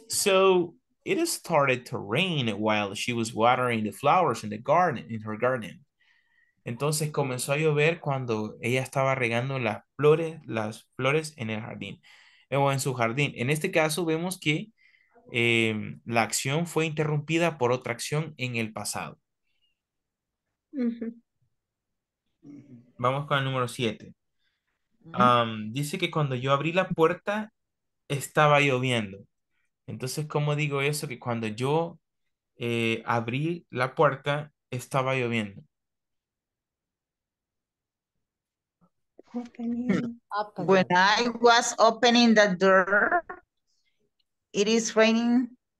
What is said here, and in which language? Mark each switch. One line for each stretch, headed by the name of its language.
English: So it started to rain while she was watering the flowers in the garden, in her garden.
Spanish: Entonces comenzó a llover cuando ella estaba regando las flores en el jardín o en su jardín. En este caso vemos que la acción fue interrumpida por otra acción en el pasado. Uh-huh. Vamos con el número 7. Uh-huh. Dice que cuando yo abrí la puerta estaba lloviendo. Entonces, ¿cómo digo eso? Que cuando yo abrí la puerta estaba lloviendo.
English: When I was opening the door, it is raining.